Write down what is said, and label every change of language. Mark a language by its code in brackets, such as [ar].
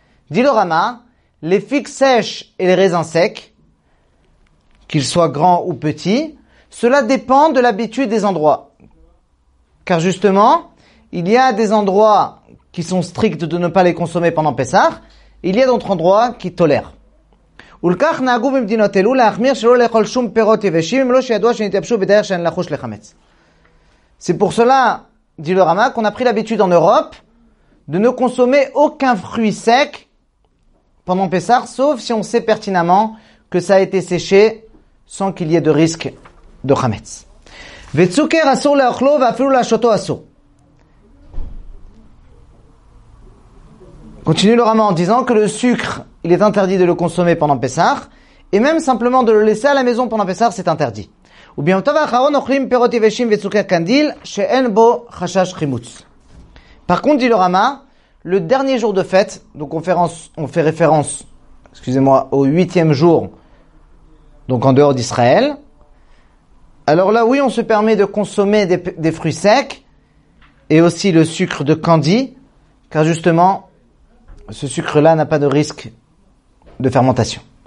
[fr] Dit le Rama, les figues sèches et les raisins secs, qu'ils soient grands ou petits, cela dépend de l'habitude des endroits. Car justement, il y a des endroits qui sont stricts de ne pas les consommer pendant Pessah, il y a d'autres endroits qui tolèrent. [he] ולכך נהגו במדינות אלו להחמיר שלא לאכול שום פירות יבשים אם לא שידוע שנתייבשו בדרך שאין לחוש לחמץ. [fr] C'est pour cela, dit le Rama, qu'on a pris l'habitude en Europe de ne consommer aucun fruit sec pendant Pessah, sauf si on sait pertinemment que ça a été séché sans qu'il y ait de risque de chametz. [he] וצוקר אסור לאכלו ואפילו לשותו אסור. [fr] Continue le Rama en disant que le sucre, il est interdit de le consommer pendant Pessah, et même simplement de le laisser à la maison pendant Pessah, c'est interdit. Ou bien, par contre, dit le Rama, le dernier jour de fête, donc on fait référence, excusez-moi, au huitième jour, donc en dehors d'Israël, alors là, oui, on se permet de consommer des fruits secs, et aussi le sucre de candy, car justement, ce sucre-là n'a pas de risque de fermentation.